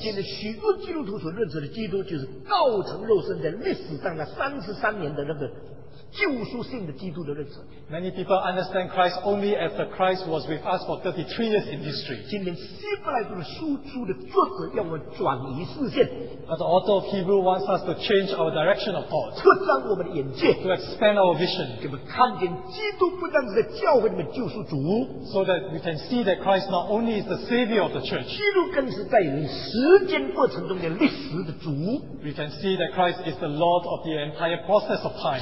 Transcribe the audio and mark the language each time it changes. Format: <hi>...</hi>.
<zh>现在许多基督徒所认识的基督就是道成肉身在历史上的33年的那个救赎性的基督的认识。</zh> <en>Many people understand Christ only as the Christ was with us for 33 years in history.</en> <zh>今天希伯来书的书书的作者要我们转移视线。</zh> <en>But the author of Hebrew wants us to change our direction of thought.</en> <zh>扩张我们的眼界。</zh> <en>To expand our vision.</en> <zh>给我们看见基督不但是在教会里面救赎主。</zh> <en>So that we can see that Christ not only is the savior of the church.</en> <zh>基督更是在时间过程中的历史的主。</zh> <en>We can see that Christ is the Lord of the entire process of time.</en>